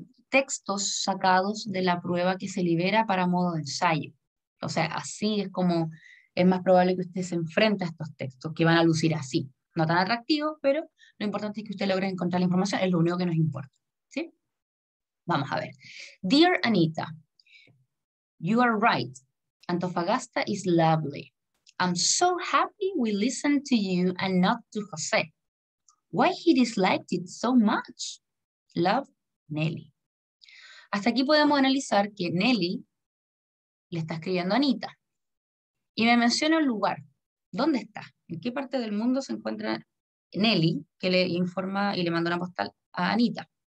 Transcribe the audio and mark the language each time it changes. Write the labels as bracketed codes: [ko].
[es] textos sacados de la prueba que se libera para modo de ensayo. O sea, así es como es más probable que usted se enfrente a estos textos, que van a lucir así. No tan atractivos, pero lo importante es que usted logre encontrar la información, es lo único que nos importa. ¿Sí? Vamos a ver. [en] Dear Anita, you are right. Antofagasta is lovely. I'm so happy we listened to you and not to José. Why he disliked it so much? Love, Nelly. [es] Hasta aquí podemos analizar que Nelly le está escribiendo a Anita. Y me menciona el lugar. ¿Dónde está? ¿En qué parte del mundo se encuentra Nelly que le informa y le manda una postal a Anita?